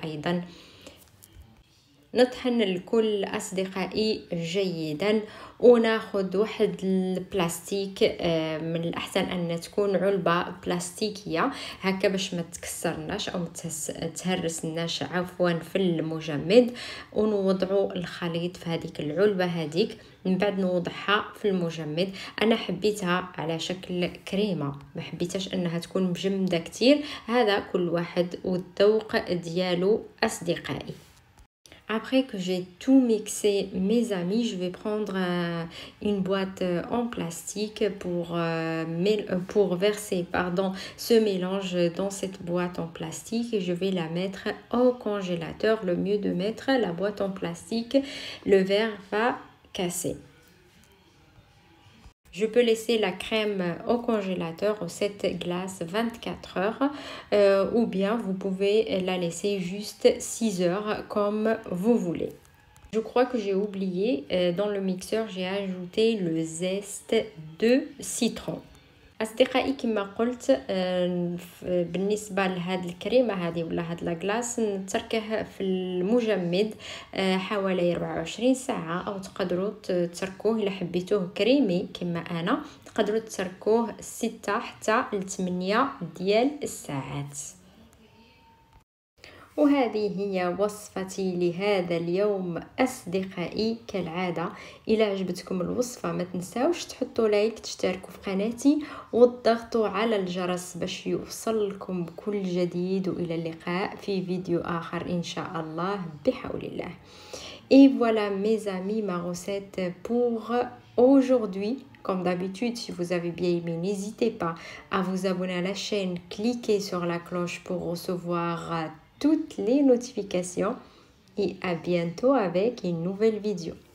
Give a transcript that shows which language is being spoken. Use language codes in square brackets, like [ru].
[ar] أيضا نطحن الكل أصدقائي جيدا، وناخذ واحد البلاستيك، من الأحسن أن تكون علبة بلاستيكية هكا باش ما تكسرناش أو تهرسناش عفوا في المجمد. ونوضعوا الخليط في هذيك العلبة هذيك، من بعد نوضعها في المجمد. أنا حبيتها على شكل كريمة، ما حبيتش أنها تكون مجمدة كتير. هذا كل واحد والذوق ديالو أصدقائي. [fr] Après que j'ai tout mixé, mes amis, je vais prendre une boîte en plastique pour verser ce mélange dans cette boîte en plastique. Je vais la mettre au congélateur. Le mieux de mettre la boîte en plastique, le verre va casser. Je peux laisser la crème au congélateur ou cette glace 24 heures, ou bien vous pouvez la laisser juste 6 heures comme vous voulez. Je crois que j'ai oublié, dans le mixeur, j'ai ajouté le zeste de citron. [ar] أصدقائي كما قلت بالنسبة لهاد الكريمة هذه ولا هاد لاغلاس نتركها في المجمد حوالي 24 ساعة، أو تقدروا تتركوه إلا حبيتوه كريمي كما أنا تقدروا تتركوه 6 حتى 8 ديال الساعات. وهذه هي وصفتي لهذا اليوم أصدقائي. كالعادة إذا عجبتكم الوصفة ما تنساوش تحطوا لايك، تشتركوا في قناتي وتضغطوا على الجرس باش يوصلكم كل جديد، وإلى اللقاء في فيديو آخر إن شاء الله بحول الله. [fr] Et voilà mes amis, ma recette pour aujourd'hui. Comme d'habitude, si vous avez bien aimé, n'hésitez pas à vous abonner à la chaîne, cliquez sur la cloche pour recevoir toutes les notifications, et à bientôt avec une nouvelle vidéo.